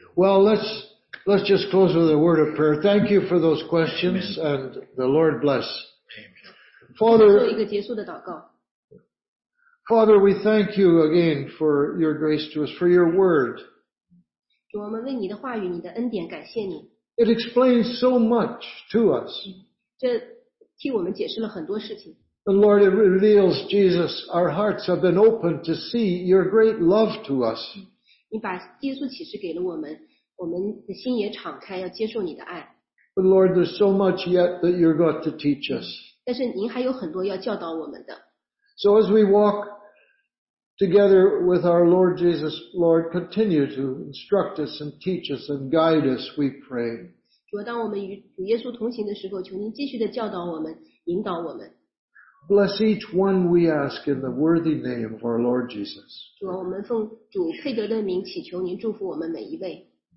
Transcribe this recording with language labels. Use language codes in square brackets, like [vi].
[en] Well, let's just close with a word of prayer. Thank you for those questions, Amen. And the Lord bless. Amen. Father, we thank you again for your grace to us, for your word. [zh] 主，我们为你的话语、你的恩典感谢你。 [en] It explains so much to us. [zh] 这替我们解释了很多事情。 [en] The Lord, it reveals, Jesus, our hearts have been opened to see your great love to us. [zh] 你把耶稣启示给了我们，我们的心也敞开，要接受你的爱。 [en] But Lord, there's so much yet that you're got to teach us. [zh] 但是您还有很多要教导我们的。 [en] So as we walk together with our Lord Jesus, Lord, continue to instruct us and teach us and guide us, we pray. [zh] 主，当我们与主耶稣同行的时候，求您继续的教导我们，引导我们。 [en] Bless each one we ask in the worthy name of our Lord Jesus. [zh] 主，我们奉主佩德的名祈求您祝福我们每一位。